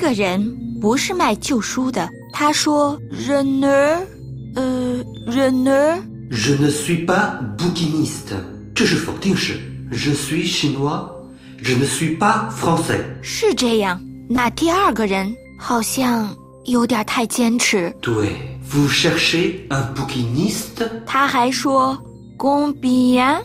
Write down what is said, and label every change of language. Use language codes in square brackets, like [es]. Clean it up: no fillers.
[zh] 第一个人不是卖旧书的。 [fr] Je ne suis pas bouquiniste. [zh] 这是否定式。 [fr] Je suis chinois. Je ne suis pas français. [zh] 是这样。那第二个人好像有点太坚持。对。 [fr] Vous cherchez un bouquiniste? [zh] 他还说 combien?